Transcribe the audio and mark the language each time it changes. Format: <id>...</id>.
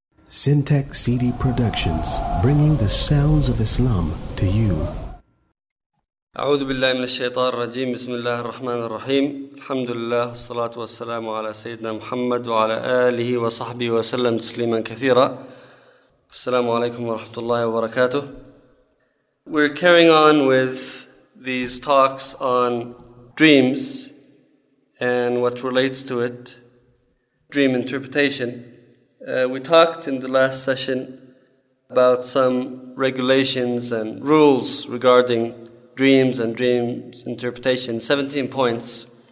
<en>Syntec CD Productions, bringing the sounds of Islam to you.</en> <ar>أعوذ بالله من الشيطان الرجيم. بسم الله الرحمن الرحيم. الحمد لله والصلاة والسلام على سيدنا محمد وعلى آله وصحبه وسلم تسليما كثيرا. السلام عليكم ورحمة الله وبركاته.</ar> <en>We're carrying on with these talks on dreams and what relates to it, dream interpretation. We talked in the last session about some regulations and rules regarding dreams and dreams interpretation, 17 points.</en>